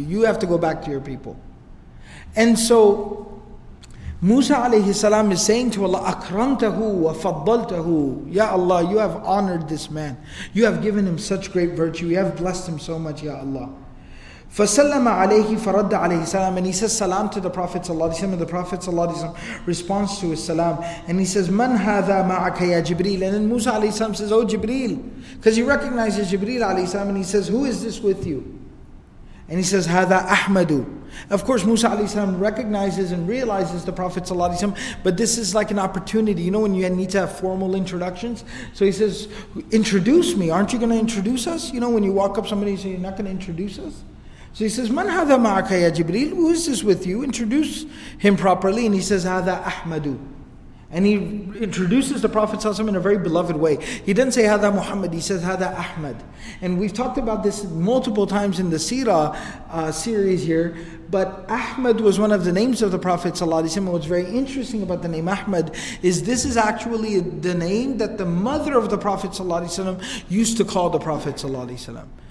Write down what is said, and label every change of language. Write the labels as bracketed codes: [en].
[en] You have to go back to your people. And so Musa alayhi salam is saying to Allah, [ar] akramtahu wa faddaltahu. [en] Ya Allah, you have honored this man. You have given him such great virtue. You have blessed him so much, Ya Allah. [ar] فَسَلَّمَ عَلَيْهِ فَرَدَّ عَلَيْهِ سَلَامٍ. [en] And he says salam to the Prophet ﷺ, and the Prophet ﷺ responds to his salam. And he says, [ar] مَنْ هَذَا مَعَكَ يَا جِبْرِيلِ. [en] And then Musa ﷺ says, oh Jibreel. Because he recognizes Jibreel ﷺ, and he says, who is this with you? And he says, [ar] هَذَا أَحْمَدُ. [en] Of course Musa ﷺ recognizes and realizes the Prophet ﷺ, but this is like an opportunity. You know when you need to have formal introductions? So he says, introduce me, aren't you going to introduce us? You know when you walk up somebody and say, you're not going to introduce us? So he says, [ar] مَنْ هَذَا مَعَكَ يَا جِبْرِيلُ. [en] Who is this with you? Introduce him properly. And he says, [ar] هَذَا أَحْمَدُ. [en] And he introduces the Prophet ﷺ in a very beloved way. He didn't say, [ar] هَذَا مُحَمَّدُ. [en] He says, [ar] هَذَا أَحْمَدُ. [en] And we've talked about this multiple times in the Sīrah series here. But Ahmad was one of the names of the Prophet ﷺ. And what's very interesting about the name Ahmad is this is actually the name that the mother of the Prophet ﷺ used to call the Prophet ﷺ.